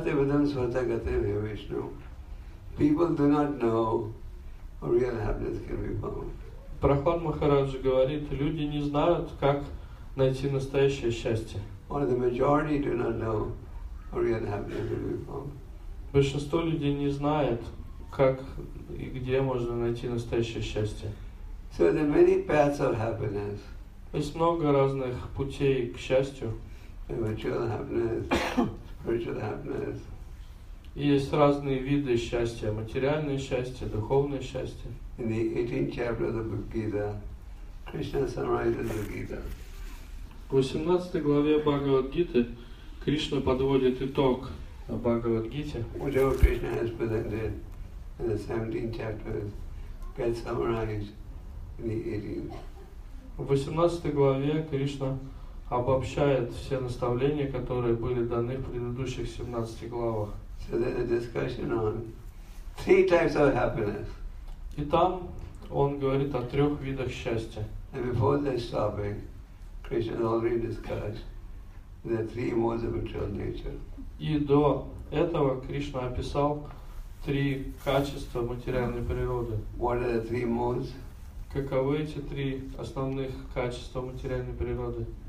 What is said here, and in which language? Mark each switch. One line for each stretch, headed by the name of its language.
English: People do not know how real happiness can be found.
Russian: Прохлад Махарадж говорит, люди не знают, как найти настоящее счастье.
English: Or the majority do not know how real happiness can be found.
Russian: Большинство людей не знает, как и где можно найти настоящее счастье.
English: So there are many paths of happiness.
Russian: Есть много разных путей к счастью.
English: Material happiness, spiritual happiness.
Russian: Есть разные виды счастья, материальное счастье, духовное счастье.
English: In the 18th chapter of the Bhagavad Gita, Krishna summarizes the Gita.
Russian: В 18 главе Бхагавад Гиты Кришна подводит итог о Бхагавад Гите.
English: Whatever Krishna has presented in the 17 chapters gets summarized in the 18th.
Russian: В 18 главе Кришна обобщает все наставления, которые были даны в предыдущих 17 главах.
English: So there's a discussion on three types of happiness.
Russian: И там он говорит о трех видах счастья.
English: And before this topic, Krishna has already discussed the three modes of material nature.
Russian: И до этого Кришна описал три качества материальной природы.
English: What are the three modes?
Russian: Каковы эти три основных качества материальной природы?